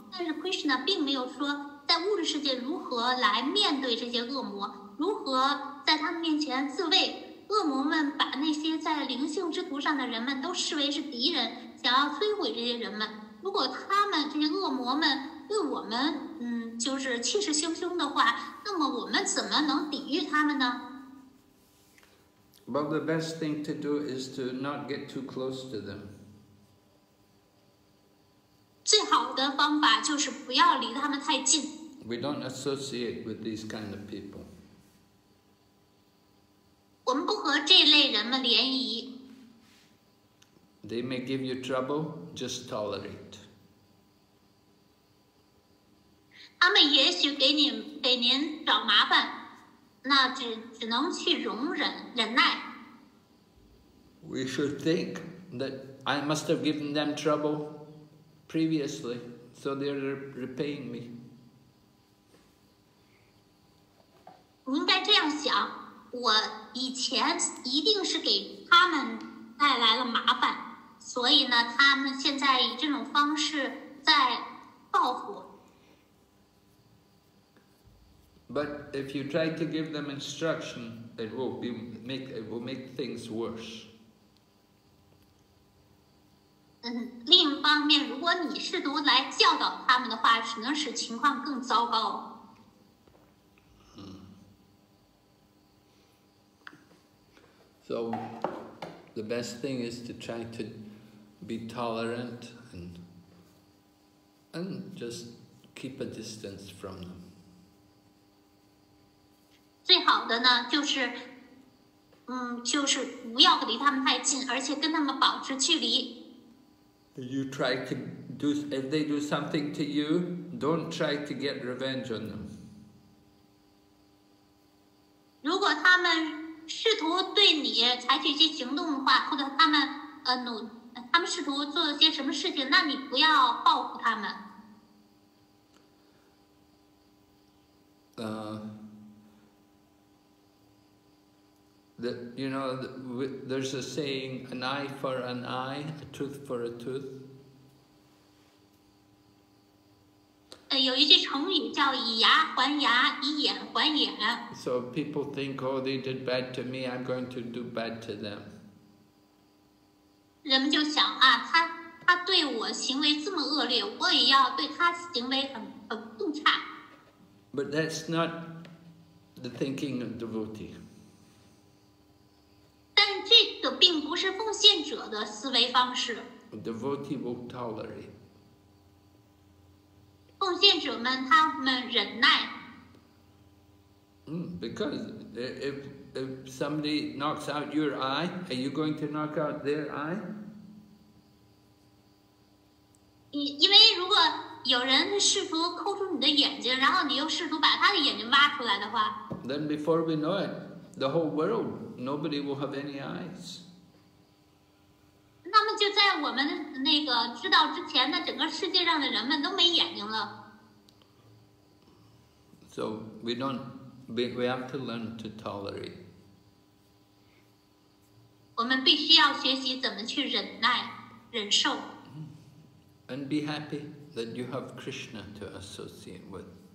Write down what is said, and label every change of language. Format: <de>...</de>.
<zh>但是 Krishna 并没有说，在物质世界如何来面对这些恶魔，如何在他们面前自卫。恶魔们把那些在灵性之途上的人们都视为是敌人，想要摧毁这些人们。如果他们这些恶魔们对我们就是气势汹汹的话，那么我们怎么能抵御他们呢？</zh> <en>Well, the best thing to do is to not get too close to them.</en> <zh>最好的方法就是不要离他们太近。</zh> <en>We don't associate with these kind of people.</en> <zh>我们不和这类人们联谊。</zh> <en>They may give you trouble, just tolerate.</en> <zh>他们也许给您找麻烦，那只能去容忍忍耐。</zh> <en>We should think that I must have given them trouble previously, so they're repaying me.</en> <zh>你应该这样想，我以前一定是给他们带来了麻烦，所以呢，他们现在以这种方式在报复。</zh> <en>But if you try to give them instruction, it will make things worse.</en> <zh>另一方面，如果你试图来教导他们的话，只能使情况更糟糕。</zh> <en>So the best thing is to try to be tolerant and just keep a distance from them.</en> <zh>最好的呢，就是不要离他们太近，而且跟他们保持距离。</zh> <en>You try to do, if they do something to you, don't try to get revenge on them.</en> <zh>如果他们试图对你采取一些行动的话，或者他们试图做一些什么事情，那你不要报复他们。</zh> <en>That, you know, there's a saying, an eye for an eye, a tooth for a tooth.</en> <zh>有一句成语叫以牙还牙，以眼还眼。</zh> <en>So people think, oh, they did bad to me, I'm going to do bad to them.</en> <zh>人们就想啊，他对我行为这么恶劣，我也要对他行为很更差。</zh> <en>But that's not the thinking of devotee.</en> <zh>这个并不是奉献者的思维方式。</zh> <en>A devotee will tolerate.</en> <zh>奉献者们他们忍耐。</zh> <en>Because if somebody knocks out your eye, are you going to knock out their eye?</en> <zh>因为如果有人试图抠出你的眼睛，然后你又试图把他的眼睛挖出来的话，</zh> <en>then before we know it, the whole world. Nobody will have any eyes.</en> <zh>那么就在我们那个知道之前，那整个世界上的人们都没眼睛了。</zh> <en>So we have to learn to tolerate.</en> <zh>我们必须要学习怎么去忍耐、忍受。</zh> <en>And be happy that you have Krishna to associate with.</en>